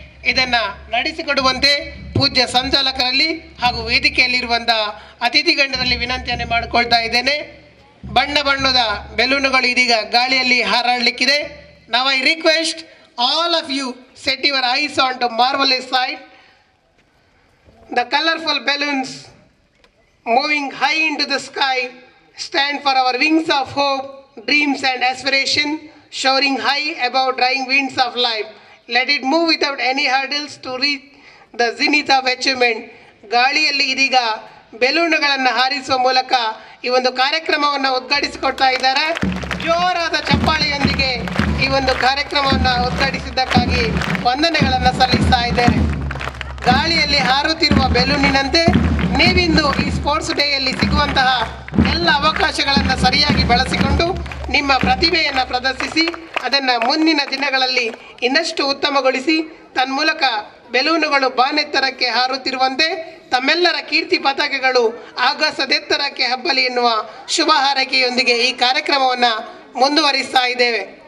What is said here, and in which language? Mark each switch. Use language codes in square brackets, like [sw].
[kn] ಇದನ್ನು ನಡೆಸಿಕೊಡುವಂತೆ ಪೂಜ್ಯ ಸಂಚಾಲಕರಲ್ಲಿ ಹಾಗೂ ವೇದಿಕೆಯಲ್ಲಿರುವಂತಹ ಅತಿಥಿ ಗಣ್ಯರಲ್ಲಿ ವಿನಂತಿಯನ್ನು ಮಾಡಿಕೊಳ್ತಾ ಇದ್ದೇನೆ. ಬಣ್ಣ ಬಣ್ಣದ ಬೆಲೂನುಗಳು ಇದೀಗ ಗಾಳಿಯಲ್ಲಿ ಹಾರಾಡಲಿಕ್ಕಿದೆ. [en] ನಾವ್ I request all of you set your eyes on to marvellous sight. The colorful balloons moving high into the sky stand for our wings of hope, dreams and aspiration, soaring high above drying winds of life. Let it move without any hurdles to reach the zenith of achievement. [kn] ಗಾಳಿಯಲ್ಲಿ ಇದೀಗ ಬೆಲೂನುಗಳನ್ನು ಹಾರಿಸುವ ಮೂಲಕ ಈ ಒಂದು ಕಾರ್ಯಕ್ರಮವನ್ನು ಉದ್ಘಾಟಿಸಿಕೊಡ್ತಾ ಇದ್ದಾರೆ. ಜೋರಾದ ಚಪ್ಪಾಳೆಯೊಂದಿಗೆ ಈ ಒಂದು ಕಾರ್ಯಕ್ರಮವನ್ನು ಉದ್ಘಾಟಿಸಿದ್ದಕ್ಕಾಗಿ ವಂದನೆಗಳನ್ನು ಸಲ್ಲಿಸ್ತಾ ಇದ್ದಾರೆ. ಗಾಳಿಯಲ್ಲಿ ಹಾರುತ್ತಿರುವ ಬೆಲೂನಿನಂತೆ ನೀವಿಂದು ಈ ಸ್ಪೋರ್ಟ್ಸ್ ಡೇಯಲ್ಲಿ ಸಿಗುವಂತಹ ಎಲ್ಲ ಅವಕಾಶಗಳನ್ನು ಸರಿಯಾಗಿ ಬಳಸಿಕೊಂಡು ನಿಮ್ಮ ಪ್ರತಿಭೆಯನ್ನು ಪ್ರದರ್ಶಿಸಿ ಅದನ್ನು ಮುಂದಿನ ದಿನಗಳಲ್ಲಿ ಇನ್ನಷ್ಟು ಉತ್ತಮಗೊಳಿಸಿ ತನ್ಮೂಲಕ ಬೆಲೂನುಗಳು ಬಾನೆತ್ತರಕ್ಕೆ ಹಾರುತ್ತಿರುವಂತೆ ತಮ್ಮೆಲ್ಲರ ಕೀರ್ತಿ ಪತಾಕೆಗಳು ಆಗಸದೆತ್ತರಕ್ಕೆ ಹಬ್ಬಲಿ ಎನ್ನುವ ಶುಭ ಹಾರೈಕೆಯೊಂದಿಗೆ ಈ ಕಾರ್ಯಕ್ರಮವನ್ನು ಮುಂದುವರಿಸ್ತಾ ಇದ್ದೇವೆ.